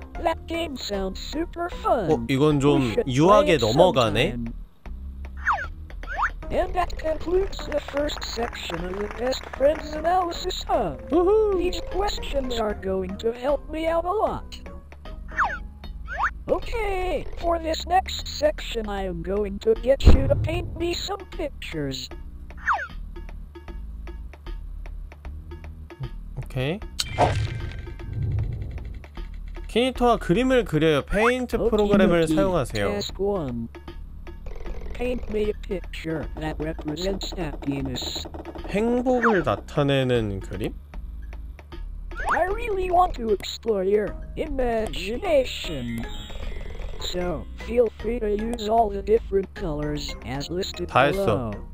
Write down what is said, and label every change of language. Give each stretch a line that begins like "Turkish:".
English: That game sounds super fun.
Korean: 어, 이건 좀 유학에 넘어가네.
English: And that concludes the first section of the best friends analysis. These questions are going to help me out a lot. Okay, for this next section, I am going to get you to paint me some pictures. Okay.
Korean: 키니토와 그림을 그려요. 페인트 프로그램을 사용하세요.
English: Task 1. Paint me a picture that represents happiness.
Korean: 행복을 나타내는 그림?
English: I really want to explore your imagination. So, feel free to use all the different colors as listed below.